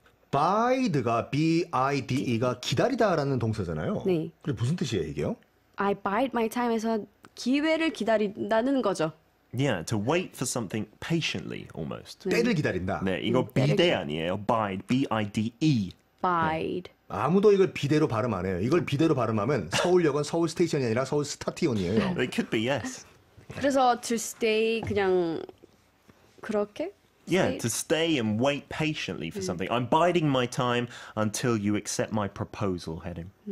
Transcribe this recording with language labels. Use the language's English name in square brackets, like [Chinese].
[Korean] Bide가 B-I-D-E가 기다리다라는 동사잖아요. 네. 그게 무슨 뜻이에요, 이게요? [English] I bide my time [Korean] 에서 기회를 기다린다는 거죠. [English] Yeah, to wait for something patiently, almost. [Korean] 네. 때를 기다린다. 네, 이거 비대 아니에요. Bide, B-I-D-E. Bide. 네. 아무도 이걸 비대로 발음 안 해요. 이걸 비대로 발음하면 서울역은 서울 스테이션이 아니라 서울 스타티온이에요. [English] It could be, yes. [Korean] 그래서 to stay 그냥 그렇게? [English] Yeah, to stay and wait patiently for something. I'm biding my time until you accept my proposal, Hedim.